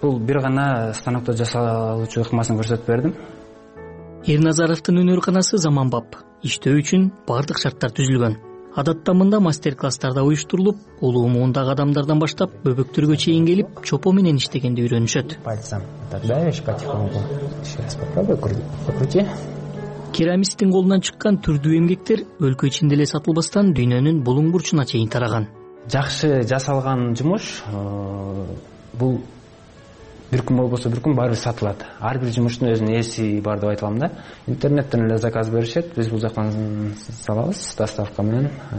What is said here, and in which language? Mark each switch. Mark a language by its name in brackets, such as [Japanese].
[Kyrgyz] Бул бир гана станокто жасалуучу ыкмасын көрсөтүп бердим. Ирназаровдун өнөрканасы заманбап, иштөө үчүн бардык шарттар түзүлгөн. Адатта мында мастер-класстар да уюштурулуп, улуу муундагы адамдардан баштап бөбөктөргө чейин келип чопо менен иштегенди үйрөнүшөт. [Russian] Пальцам так давишь потихоньку. Сейчас попробую покрути. [Kyrgyz] Керамисттин колунан чыккан түрдүү эмгектер өлкө ичинде эле сатылбастан дүйнөнүн булуң бурчуна чейин тараган. Жакшы жасалган жумуш бул бир күн болбосо бир күн баарыбыз сатылат. Ар бир жумуштун өзүнүн ээси бар деп айта алам да. Интернеттен эле заказ беришет, биз бул жактан салабыз доставка менен.